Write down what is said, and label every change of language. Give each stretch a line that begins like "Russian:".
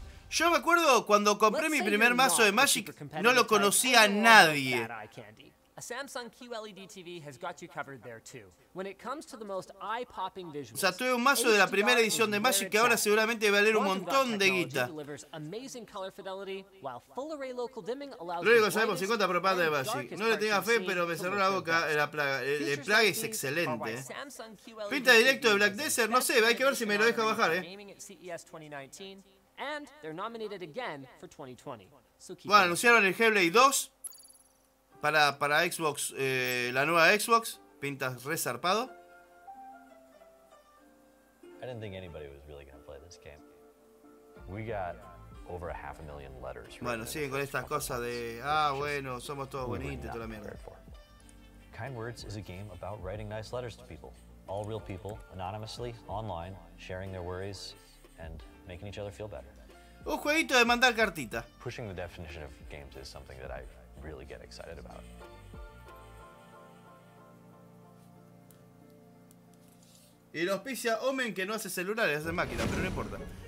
Spanish: Yo me acuerdo cuando compré mi primer mazo de Magic, no lo conocía a nadie.
English: A Samsung QLED TV has got you covered there too. When it comes to the most eye-popping visuals,
Spanish: o sea, tuve un mazo de la primera edición de Magic que ahora seguramente va a valer un montón de guita. Luego sabemos 50 propagandas de Magic. No le tenga fe, pero me cerró la boca la plaga. El plague es excelente. Pinta directo de Black Desert, no sé, hay que ver si me lo deja bajar, eh. Bueno, anunciaron el Hellblade 2. Para Xbox, la nueva Xbox, pinta re zarpado.
English: I didn't think anybody was really gonna play this game. We got over a half a million letters.
Spanish: Bueno, siguen con estas cosas de ah, bueno, somos todos bonitos, toda la mierda.
English: Kind Words is a game about writing nice letters to people, all real people, anonymously, online, sharing their worries and making each other feel better.
Spanish: Un jueguito de mandar cartita.
English: Pushing the definition of games is something that I really get excited about.
Spanish: Y los pisa Omen que no hace celulares, hace máquina, pero no importa.